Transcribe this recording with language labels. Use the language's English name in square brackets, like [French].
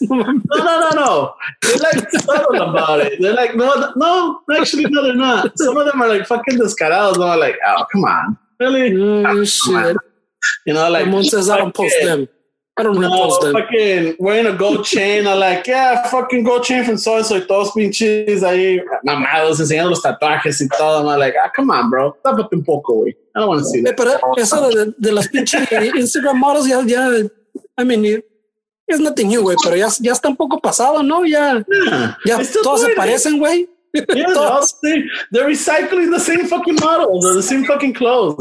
[English] No. They're like subtle about it. They're like, no, actually, no, they're not. Some of them are like fucking descarados. No, like, oh, come on. Really? Shit. You know, like, Ramon says, I don't post them. Fucking wearing a gold chain. I'm like, yeah, fucking gold chain from so and so. [Spanish] Todos pinches ahí mamados enseñando los tatuajes y todo. [English] I'm like, ah, come on, bro. [Spanish] Tápate un poco, güey. [English] I don't want to see that. [Spanish] Pero eso de las pinches Instagram models, ya, [English] I mean, it's nothing new, [Spanish] güey. Pero ya está un poco pasado, ¿no? Ya todos se parecen, güey. [English] Yeah, they're recycling the same fucking models or the same fucking clothes.